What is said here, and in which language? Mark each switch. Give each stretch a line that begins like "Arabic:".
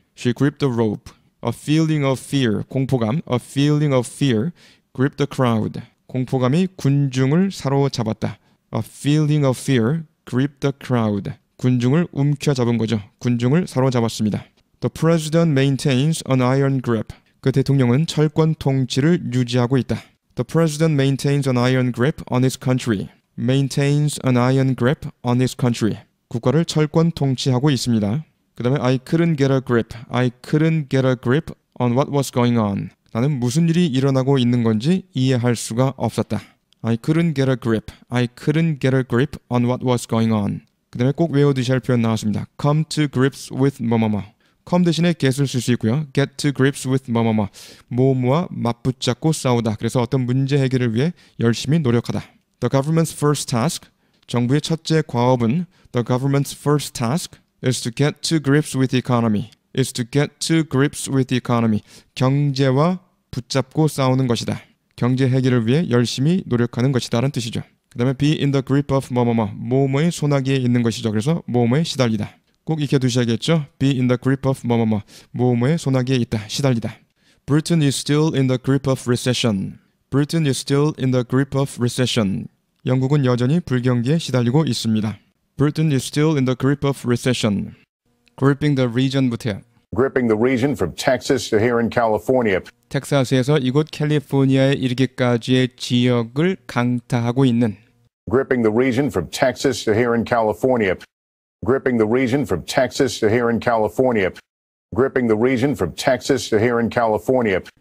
English: She gripped the rope. A feeling of fear, 공포감, a feeling of fear gripped the crowd.
Korean: 공포감이 군중을 사로잡았다.
English: A feeling of fear gripped the crowd.
Korean: 군중을 움켜잡은 거죠. 군중을 사로잡았습니다.
English: The president maintains an iron grip.
Korean: 그 대통령은 철권 통치를 유지하고 있다.
English: The president maintains an iron grip on his country. Maintains an iron grip on his country.
Korean: 국가를 철권 통치하고 있습니다. 그 다음에
English: I couldn't get a grip. I couldn't get a grip on what was going on.
Korean: 나는 무슨 일이 일어나고 있는 건지 이해할 수가 없었다.
English: I couldn't get a grip. I couldn't get a grip on what was going on.
Korean: 그 다음에 꼭 외워두셔야 할 표현 나왔습니다.
English: Come to grips with
Korean: 뭐뭐뭐. Come 대신에 get을 쓸 수 있고요.
English: Get to grips with 뭐뭐뭐.
Korean: 뭐뭐와 맞붙잡고 싸우다. 그래서 어떤 문제 해결을 위해 열심히 노력하다.
English: The government's first task.
Korean: 정부의 첫째 과업은
English: The government's first task. is to get to grips with the economy. is to get to grips with the economy.
Korean: 경제와 붙잡고 싸우는 것이다. 경제 해결을 위해 열심히 노력하는 것이다 라는 뜻이죠. 그 다음에
English: be in the grip of 뭐뭐뭐.
Korean: 뭐뭐의 손아귀에 있는 것이죠. 그래서 뭐뭐에 시달리다. 꼭 익혀두셔야겠죠.
English: be in the grip of
Korean: 뭐뭐뭐. 뭐뭐의 손아귀에 있다. 시달리다.
English: Britain is still in the grip of recession. Britain is still in the grip of recession.
Korean: 영국은 여전히 불경기에 시달리고 있습니다.
English: Britain is still in the grip of recession. Gripping the region부터요. Gripping the region from Texas to here in California.
Korean: 텍사스에서 이곳 캘리포니아에 이르기까지의 지역을 강타하고 있는.
English: Gripping the region from Texas to here in California. Gripping the region from Texas to here in California. Gripping the region from Texas to here in California.